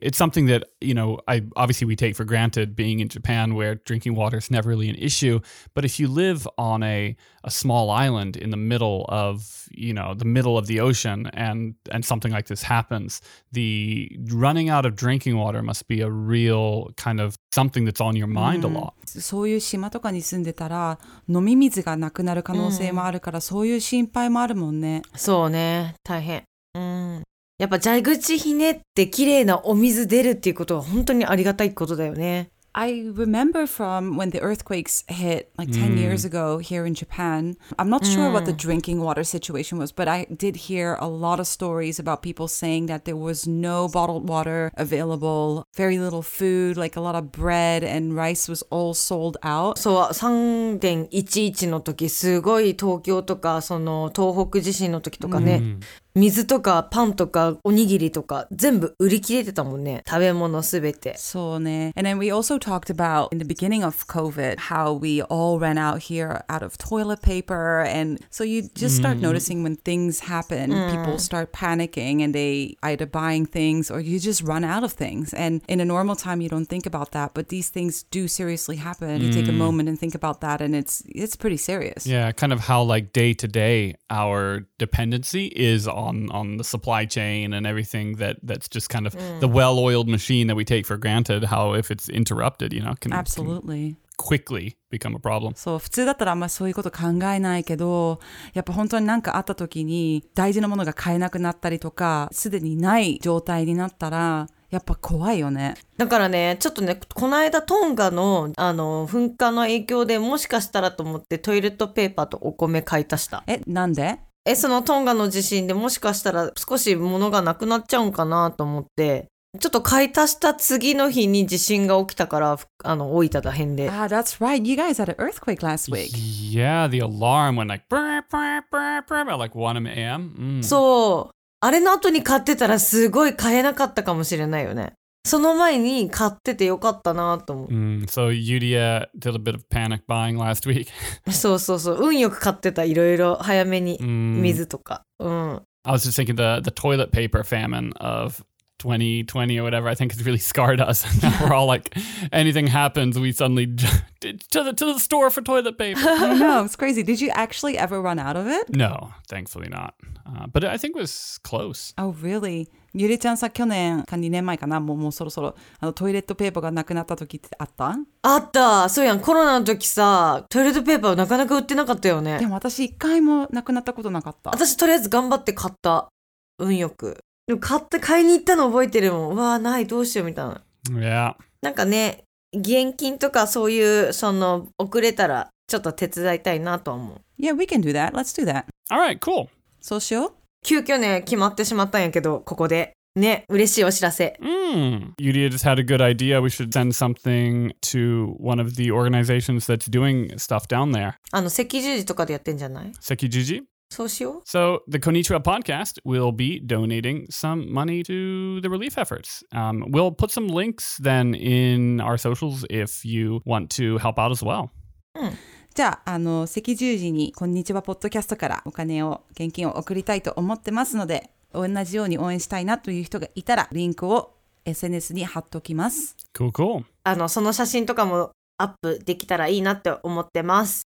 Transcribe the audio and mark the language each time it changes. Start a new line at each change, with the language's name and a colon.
English: It's something that, you know, obviously we take for granted being in Japan where drinking water is never really an issue. But if you live on a small island in the middle of, you know, the middle of the ocean and something like this happens, the running out of drinking water must be a real kind of something that's on your mind a lot.
Japanese: そういう島とかに住んでたら飲み水がなくなる可能性もあるから、そういう心配もあるもんね。そうね、大変。やっぱ蛇口ひねって綺麗なお水出るっていうことは本当にありがたいことだよね。
English: I remember from when the earthquakes hit like 10 years ago here in Japan. I'm not sure what the drinking water situation was, but I did hear a lot of stories about people saying that there was no bottled water available, very little food, like a lot of bread and rice was all sold out.
Japanese: So 3.11 の時すごい東京とかその東北地震の時とかね。水とかパンとかおにぎりとか全部売り切れてたもんね。食べ物すべて。そうね。
English: And then we also talked about in the beginning of COVID how we all ran out here out of toilet paper. And so you just start noticing when things happen, people start panicking and they either buying things or you just run out of things. And in a normal time you don't think about that, but these things do seriously happen. You take a moment and think about that and it's pretty serious. Yeah, kind of how like day to day our dependency is on the supply chain and everything that's just kind of the well-oiled machine that we take for granted, how if it's interrupted, you know, can absolutely can quickly become a problem.
Japanese: そう、普通だったらあんまりそういうこと考えないけど、やっぱ本当になんかあった時に大事なものが買えなくなったりとか、すでにない状態になったら、やっぱ怖いよね。だからね、ちょっとね、この間トンガの、あの、噴火の影響でもしかしたらと思ってトイレットペーパーとお米買い足した。え、なんで？え、そのトンガの地震でもしかしたら少し物がなくなっちゃうんかなと思って、ちょっと買い足した次の日に地震が起きたから、あの、大分だ辺で。
English: Ah, that's right. You guys had an earthquake last week. Yeah, the alarm went like, brr, brr, brr, brr, about like 1 a.m.、
Japanese: そう。あれの後に買ってたらすごい買えなかったかもしれないよね。その前に買っててよかったなと思う。
English: So Yuria did a bit of panic buying last week.
Japanese: そうそうそう。運よく買ってた。いろいろ早めに水とか。
English: I was just thinking the toilet paper famine of 2020 or whatever. I think it's really scarred us. We're all like, anything happens, we suddenly to the store for toilet paper. No, it's crazy. Did you actually ever run out of it? No, thankfully not. But I think it was close. Oh, really?
Japanese: ゆりちゃんさ、去年か2年前かな、もうそろそろあのトイレットペーパーがなくなった時ってあった？あった。そうやん、コロナの時さ、トイレットペーパーなかなか売ってなかったよね。でも私一回もなくなったことなかった。私とりあえず頑張って買った、運よく。でも買いに行ったの覚えてるもん。わー、ないどうしようみたいな。いや、なんかね、義援金とかそういうその遅れたらちょっと手伝いたいなと思う。
English: Yeah, we can do that. Let's do that. All right, cool.
Japanese: そうしよう。急遽ね、決まってしまったんやけど、ここで。ね、嬉しいお知らせ。
English: Yuria just had a good idea. We should send something to one of the organizations that's doing stuff down there.
Japanese: あの、赤十字とかでやってんじゃない？赤十字？そうしよう。
English: So, the Konnichiwa podcast will be donating some money to the relief efforts. We'll put some links then in our socials if you want to help out as well.
Japanese: じゃあ、 あの、赤十字にこんにちはポッドキャストからお金を現金を送りたいと思ってますので、同じように応援したいなという人がいたらリンクを SNS に貼っときます。
English: Cool, cool.
Japanese: あの、その写真とかもアップできたらいいなって思ってます。